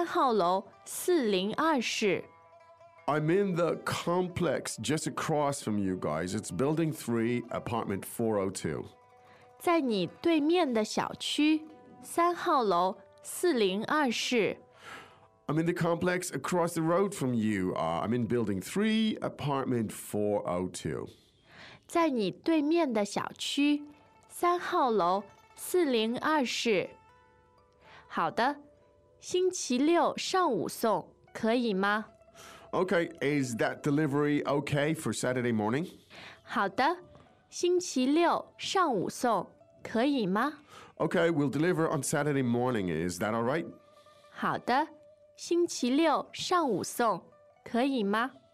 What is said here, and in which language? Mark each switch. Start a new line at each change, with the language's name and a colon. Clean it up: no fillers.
English: I'm in the complex just across from you guys. It's building 3, apartment 402.
Chinese: 在你对面的小区,3号楼402室。
English: I'm in the complex across the road from you. I'm in building 3, apartment 402.
Chinese: 在你对面的小区,3号楼402室。好的,星期六上午送,可以吗?
English: Okay, is that delivery okay for Saturday morning?
Chinese: 好的,星期六上午送,可以吗?
English: Okay, we'll deliver on Saturday morning. Is that all right?
Chinese: 好的，星期六上午送，可以吗？